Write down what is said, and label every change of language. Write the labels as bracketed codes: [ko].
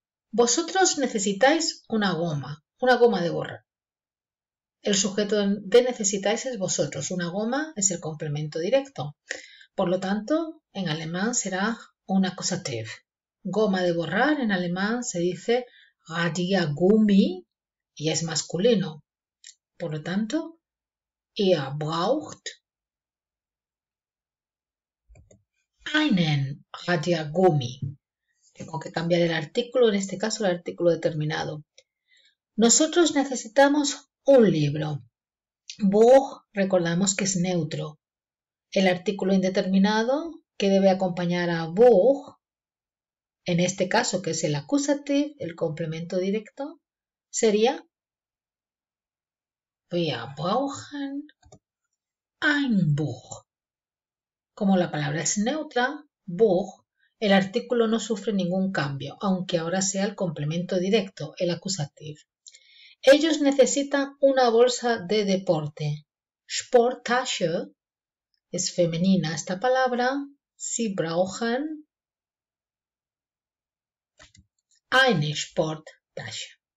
[es] Vosotros necesitáis una goma de borrar. El sujeto de necesitáis es vosotros. Una goma es el complemento directo. Por lo tanto, en alemán será un acusativo. Goma de borrar en alemán se dice Radiergummi. Y es masculino. Por lo tanto, [de] braucht einen Radiergummi. [es] Tengo que cambiar el artículo, en este caso el artículo determinado. Nosotros necesitamos un libro. Buch, recordamos que es neutro. El artículo indeterminado que debe acompañar a Buch, en este caso que es el acusativo, el complemento directo, sería. [de] Wir brauchen ein Buch. [es] Como la palabra es neutra, Buch, el artículo no sufre ningún cambio, aunque ahora sea el complemento directo, el acusativo. Ellos necesitan una bolsa de deporte. Sporttasche es femenina esta palabra. [de] Sie brauchen eine Sporttasche.